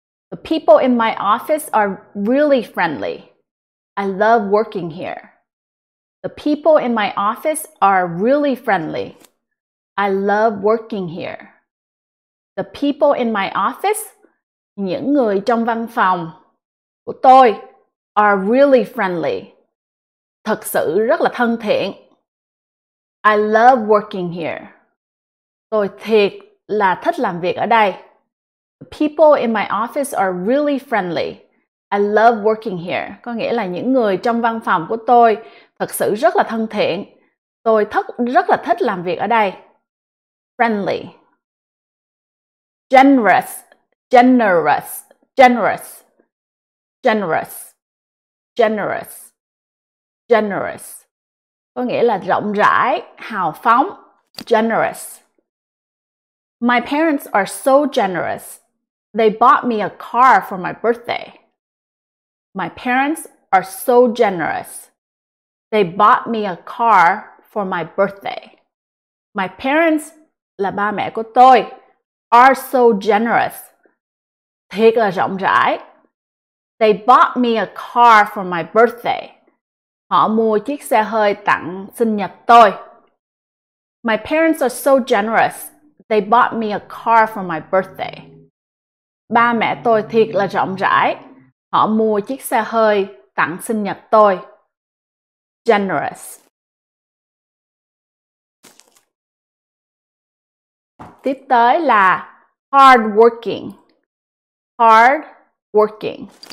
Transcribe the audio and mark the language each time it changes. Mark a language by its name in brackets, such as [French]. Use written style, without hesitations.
[English] The people in my office are really friendly. I love working here. The people in my office are really friendly. I love working here. The people in my office, [Vietnamese] những người trong văn phòng của tôi, [English] are really friendly. [Vietnamese] Thật sự rất là thân thiện. [English] I love working here. [Vietnamese] Tôi thiệt là thích làm việc ở đây. [English] The people in my office are really friendly. I love working here. [Vietnamese] Có nghĩa là những người trong văn phòng của tôi thật sự rất là thân thiện. Tôi rất là thích làm việc ở đây. [English] Friendly. Generous. Generous. Generous. Generous. Generous. Generous. [Vietnamese] Có nghĩa là rộng rãi, hào phóng. [English] Generous. My parents are so generous. They bought me a car for my birthday. My parents are so generous. They bought me a car for my birthday. My parents, [Vietnamese] là ba mẹ của tôi, [English] are so generous. [Vietnamese] Thiệt là rộng rãi. [English] They bought me a car for my birthday. [Vietnamese] Họ mua chiếc xe hơi tặng sinh nhật tôi. [English] My parents are so generous. They bought me a car for my birthday. [Vietnamese] Ba mẹ tôi thiệt là rộng rãi. Họ mua chiếc xe hơi tặng sinh nhật tôi. Generous. Tiếp tới là hardworking. Hard working.